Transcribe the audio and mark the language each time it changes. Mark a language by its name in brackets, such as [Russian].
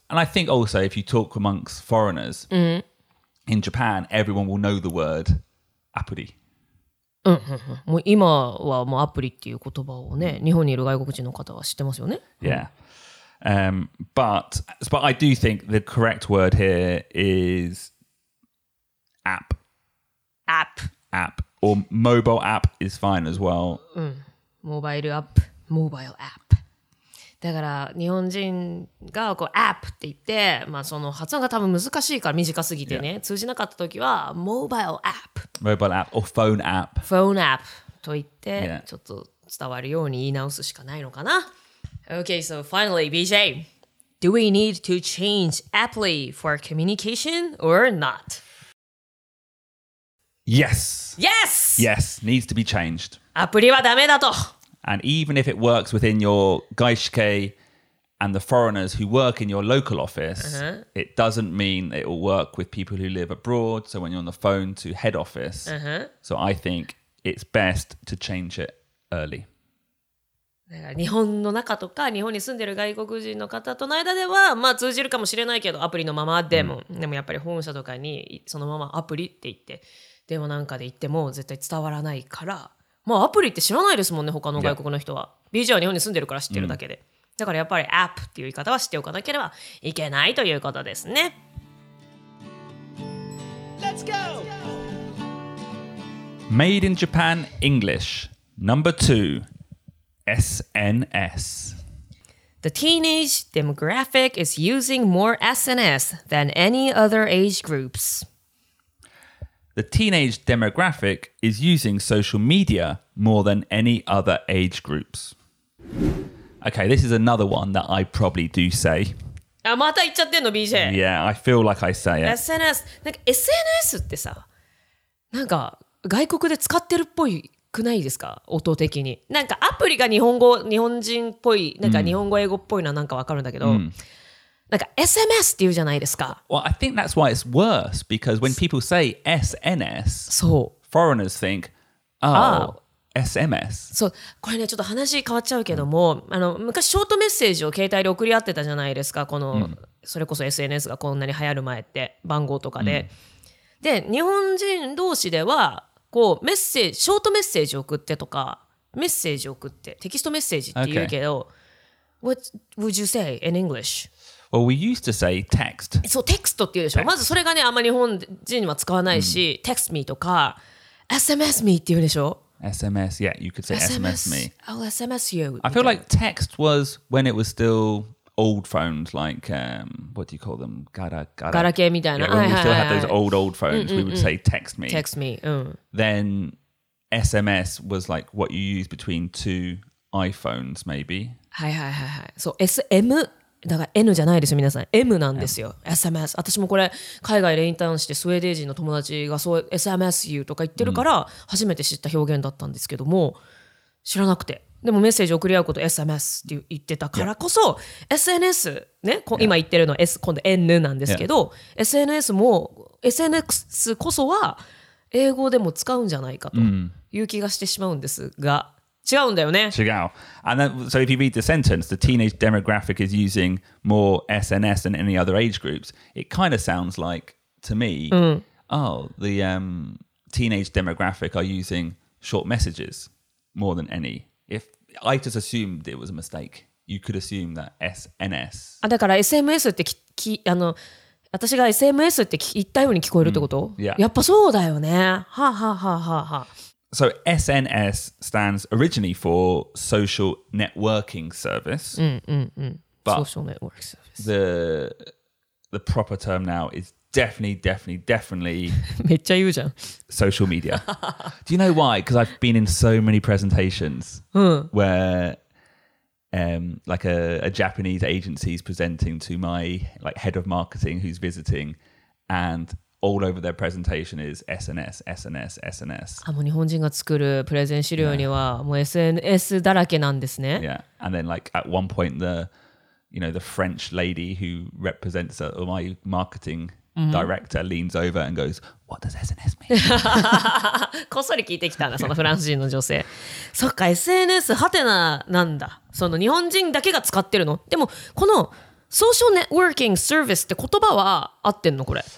[English] And I think also if you talk amongst foreigners,、 mm-hmm. In Japan, everyone will know the word Appli. [Japanese] もう今はもうアプリっていう言葉をね、日本にいる外国人の方は知ってますよね。 [English] Yeah. But I do think the correct word here is app. App. App. Or mobile app is fine as well. Mobile app. Mobile app. [Japanese] だから日本人がこうアップって言って、まあ、その発音が多分難しいから短すぎてね、 [English] yeah. [Japanese] 通じなかった時はモバイルアップ。モバイルアップ [English] or phone app。 [Japanese] phone app と言って、 [English] yeah. [Japanese] ちょっと伝わるように言い直すしかないのかな。 [English] Okay, so finally, BJ, do we need to change Appli for communication or not? Yes. Yes. Yes, needs to be changed. [Japanese] アプリはダメだと。 [English] And even if it works within your gaishike and the foreigners who work in your local office, it doesn't mean it will work with people who live abroad. So when you're on the phone to head office. So I think it's best to change it early. [Japanese] 日本の中とか日本に住んでる外国人の方との間では、まあ、通じるかもしれないけど、アプリのままでも。でもやっぱり本社とかにそのままアプリって言って、でもなんかで言っても絶対伝わらないから。まあアプリって知らないですもんね他の外国の人は、 [English] yeah. [Japanese] BJ は日本に住んでるから知ってるだけで、だからやっぱりアップっていう言い方は知っておかなければいけないということですね。 [English] Made in Japan English, number 2, SNS. The teenage demographic is using more SNS than any other age groups. The teenage demographic is using social media more than any other age groups. Okay, this is another one that I probably do say. [Japanese] また言っちゃってんの BJ? [English] Yeah, I feel like I say it. [Japanese] SNS, なんか SNS ってさ、なんか外国で使ってるっぽいくないですか、音的に。なんかアプリが日本語、日本人っぽい、なんか日本語英語っぽいのはなんかわかるんだけど、なんか SMS って言うじゃないですか。 [English] Well, I think that's why it's worse, because when people say SNS, [Japanese] そう。 [English] Foreigners think, oh,SMS. [Japanese] そう、これね、ちょっと話変わっちゃうけども、昔ショートメッセージを携帯で送り合ってたじゃないですか、この、それこそ SNS がこんなに流行る前って、番号とかで。で、日本人同士では、こう、メッセージ、ショートメッセージ送ってとか、メッセージ送って、テキストメッセージって言うけど、 [English] What would you say in English? Well, we used to say text. [Japanese] そう、テクストって言うでしょ。まずそれがね、あんま日本人には使わないし、 [English] text me [Japanese] とか、SMS me って言うでしょ。 [English] SMS, yeah, you could say SMS me. I'll SMS you. I feel like text was when it was still old phones, like, what do you call them? [Japanese] Garake みたいな。 [English] Yeah, when we still had those old phones, we would say text me. Text me, Then SMS was like what you use between two iPhones, maybe. [Japanese] はいはいはいはい。そう、SM、だから N じゃないですよ、皆さん。M なんですよ、SMS。私もこれ、海外でインターンしてスウェーデン人の友達がそう SMS you とか言ってるから、初めて知った表現だったんですけども、知らなくて。でもメッセージ送り合うこと SMS って言ってたからこそ、SNS、ね、今言ってるのは S、今度 N なんですけど、SNS も、SNS こそは英語でも使うんじゃないかという気がしてしまうんですが、違うんだよね。違う。 [English] And then, so if you read the sentence, the teenage demographic is using more SNS than any other age groups, it kind of sounds like, to me, the teenage demographic are using short messages more than any. If I just assumed it was a mistake, you could assume that SNS. [Japanese] あ、だから SMS って私が SMS って言ったように聞こえるってこと？ [English] Yeah. [Japanese] やっぱそうだよね。はあ、はあはあははあ。 [English] So SNS stands originally for Social Networking Service. Social Network Service. The proper term now is definitely [Japanese] めっちゃ言うじゃん。 [English] Social Media. Do you know why? Because I've been in so many presentations where a Japanese agency is presenting to my like head of marketing who's visiting, and all over their presentation is SNS, SNS, SNS. [Japanese] あ、もう日本人が作るプレゼン資料にはもう SNS だらけなんですね。 [English] Yeah, and then like at one point the French lady who represents my marketing director leans over and goes, What does SNS mean? [Japanese] こっそり聞いてきたな、そのフランス人の女性。そっか、SNS はてななんだ。その日本人だけが使ってるの。でもこのソーシャルネットワーキングサービスって言葉は合ってんのこれ。